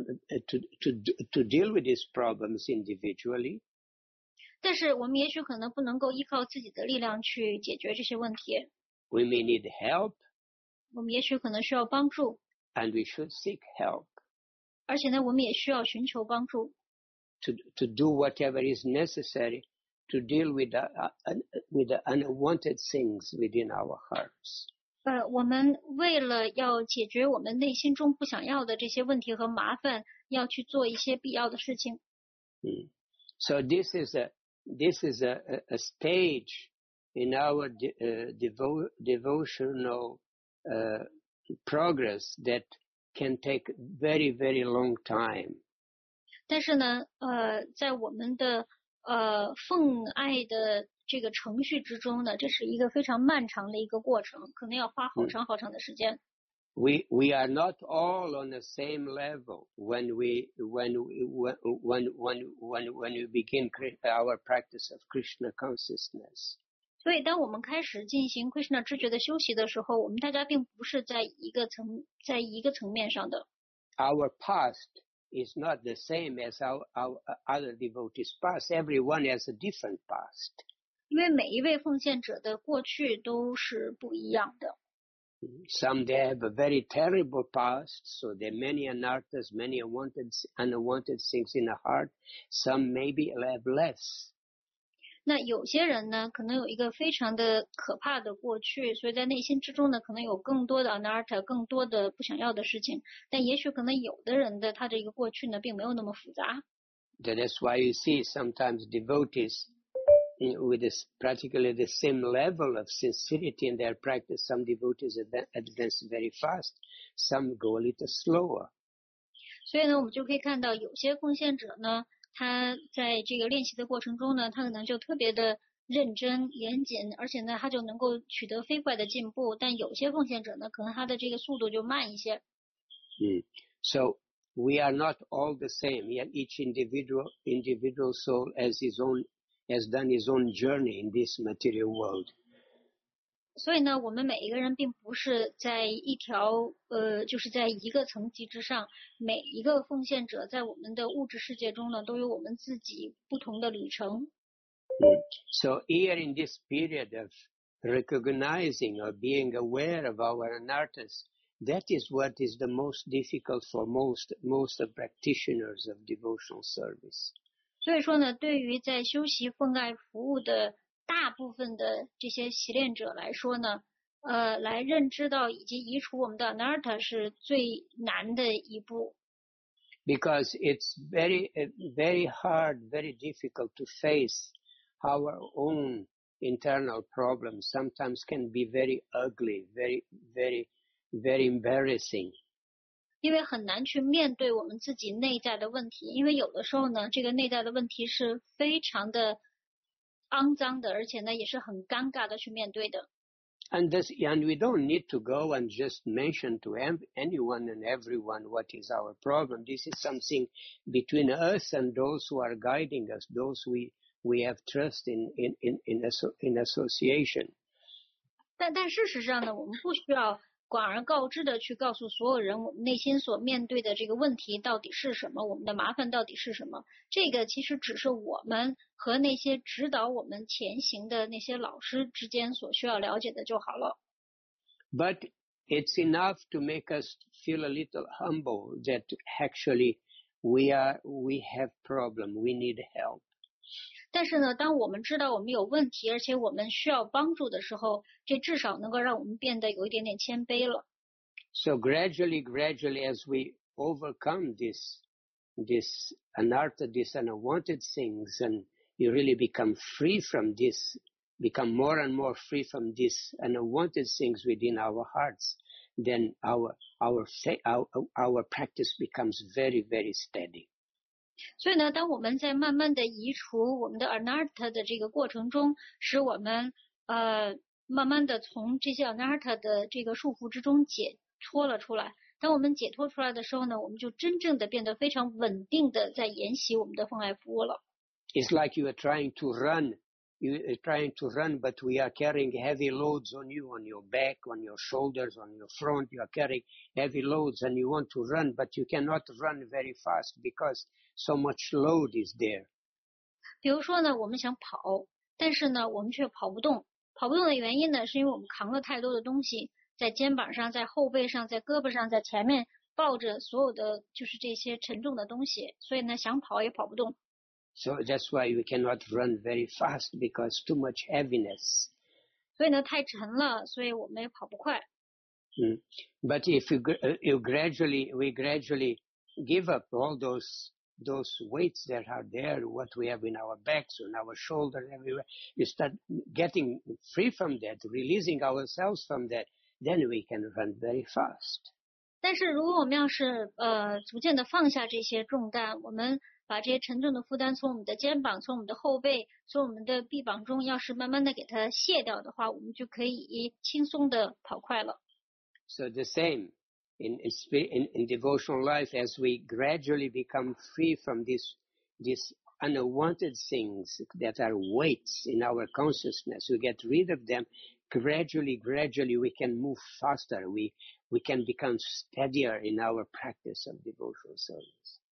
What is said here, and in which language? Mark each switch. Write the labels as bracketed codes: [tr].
[en] Not be able to deal with these problems individually. [zh] 但是我们也许可能不能够依靠自己的力量去解决这些问题。 [en] We may need help. [zh] 我们也许可能需要帮助。 [en] And we should seek help. [zh] 而且呢，我们也需要寻求帮助。 [en] To do whatever is necessary to deal with the unwanted things within our hearts. [zh] 我们为了要解决我们内心中不想要的这些问题和麻烦，要去做一些必要的事情。 [en] So this is a stage in our devotional progress that can take very very long time. [zh] 但是呢，在我们的奉爱的这个程序之中呢，这是一个非常漫长的一个过程，可能要花好长好长的时间。 [en] We are not all on the same level when we begin our practice of Krishna consciousness. [zh] 所以，当我们开始进行 Krishna 知觉的修习的时候，我们大家并不是在一个层面上的。 [en] Our past is not the same as our other devotees' past. Everyone has a different past. [zh] 因为每一位奉献者的过去都是不一样的。 [en] Some they have a very terrible past, so there are many anarthas, many unwanted things in the heart. Some maybe have less. [zh] 那有些人呢，可能有一个非常的可怕的过去，所以在内心之中呢，可能有更多的 anartha, 更多的不想要的事情。但也许可能有的人的他的一个过去呢，并没有那么复杂。 [en] That's why you see sometimes devotees. With this, practically the same level of sincerity in their practice, some devotees advance very fast, some go a little slower. [zh] 所以呢，我们就可以看到有些奉献者呢，他在这个练习的过程中呢，他可能就特别的认真严谨，而且呢，他就能够取得飞快的进步。但有些奉献者呢，可能他的这个速度就慢一些。 [en] So we are not all the same. Yet each individual soul has done his own journey in this material world. [zh] 所以呢，我们每一个人并不是在一条就是在一个层级之上。每一个奉献者在我们的物质世界中呢，都有我们自己不同的旅程。 [en] So here in this period of recognizing or being aware of our anarthas, that is what is the most difficult for most of practitioners of devotional service. [zh] 所以说呢，对于在修习奉爱服务的大部分的这些习练者来说呢，来认知到以及移除我们的 anartha 是最难的一步。 [en] Because it's very, very hard, very difficult to face our own internal problems. Sometimes can be very ugly, very, very, very embarrassing. [zh] 因为很难去面对我们自己内在的问题，因为有的时候呢，这个内在的问题是非常的肮脏的，而且呢也是很尴尬的去面对的。 [en] And this, and we don't need to go and just mention to anyone and everyone what is our problem. This is something between us and those who are guiding us, those we have trust in association. [zh] 但事实上呢，我们不需要广而告之的去告诉所有人我们内心所面对的这个问题到底是什么，我们的麻烦到底是什么。这个其实只是我们和那些指导我们前行的那些老师之间所需要了解的就好了。 [en] But it's enough to make us feel a little humble that actually we have problem, we need help. [zh] 但是呢，当我们知道我们有问题，而且我们需要帮助的时候，这至少能够让我们变得有一点点谦卑了。 [en] So gradually, gradually, as we overcome this unearthed, this unwanted things, and you really become free from this, become more and more free from this unwanted things within our hearts, then our practice becomes very, very steady. [zh] 所以呢，当我们在慢慢的移除我们的 anartha 的这个过程中，使我们慢慢的从这些 anartha 的这个束缚之中解脱了出来。当我们解脱出来的时候呢，我们就真正的变得非常稳定的在沿袭我们的奉爱服务了。 [en] It's like you are trying to run, you are trying to run, but we are carrying heavy loads on you, on your back, on your shoulders, on your front. You are carrying heavy loads, and you want to run, but you cannot run very fast because so much load is there. [zh] 比如说呢，我们想跑，但是呢，我们却跑不动。跑不动的原因呢，是因为我们扛了太多的东西，在肩膀上，在后背上，在胳膊上，在前面抱着所有的就是这些沉重的东西，所以呢，想跑也跑不动。 [en] So that's why we cannot run very fast because too much heaviness. [zh] 所以呢，太沉了，所以我们也跑不快。 [en] But if we gradually give up all those weights that are there, what we have in our backs, on our shoulders, everywhere, you start getting free from that, releasing ourselves from that, then we can run very fast. [zh] 但是如果我们要是逐渐的放下这些重担，我们把这些沉重的负担从我们的肩膀，从我们的后背，从我们的臂膀中，要是慢慢的给它卸掉的话，我们就可以轻松的跑快了。 [en] So the same. In devotional life, as we gradually become free from these unwanted things that are weights in our consciousness, we get rid of them, gradually, gradually we can move faster, we can become steadier in our practice of devotional service.